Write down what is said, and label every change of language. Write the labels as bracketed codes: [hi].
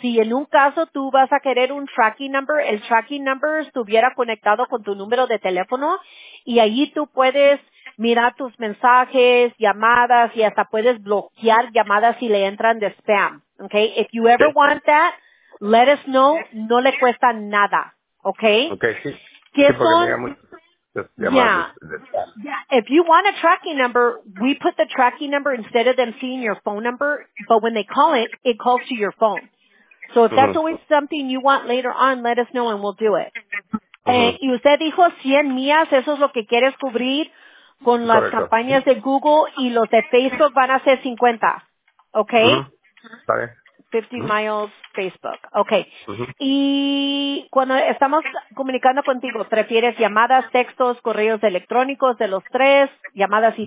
[es] Si en un caso tú vas a querer un tracking number, el tracking number estuviera conectado con tu número de teléfono y allí tú puedes mirar tus mensajes, llamadas y hasta puedes bloquear llamadas si le entran de spam. [en] Okay, if you ever want that, let us know. [es] No le cuesta nada. Okay. Okay. Sí. ¿Qué sí, son? [en] Yeah. If you want a tracking number, we put the tracking number instead of them seeing your phone number. But when they call it, it calls to your phone. So if that's always something you want later on, let us know and we'll do it. [es] Y usted dijo 100 millas. Eso es lo que quieres cubrir con las campañas de Google y los de Facebook van a ser 50. [en] Okay. Mm-hmm. 50 miles Facebook. Okay. Uh-huh. [es] Y cuando estamos comunicando contigo, ¿prefieres llamadas, textos, correos electrónicos de los tres, llamadas y